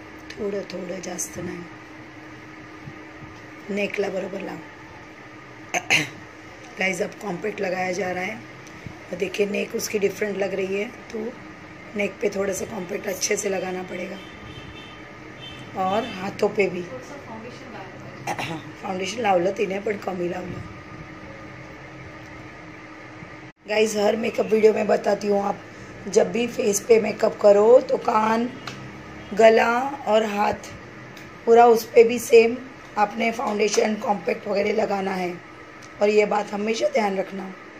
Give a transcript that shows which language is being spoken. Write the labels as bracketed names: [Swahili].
[Hindi] थोड़ा थोड़ा जास्त नहीं, [Marathi] नेकला बरोबर [Hindi] लाओ. गाइज अब कॉम्पैक्ट लगाया जा रहा है और देखिए नेक उसकी डिफरेंट लग रही है, तो नेक पे थोड़ा सा कॉम्पैक्ट अच्छे से लगाना पड़ेगा और हाथों पे भी. [Marathi] फाउंडेशन लावलं तिने पण कमी लावलं. [Hindi] गाइज हर मेकअप वीडियो में बताती हूँ, आप जब भी फेस पे मेकअप करो तो कान, गला और हाथ पूरा उस पे भी सेम आपने फाउंडेशन कॉम्पैक्ट वगैरह लगाना है, और ये बात हमेशा ध्यान रखना.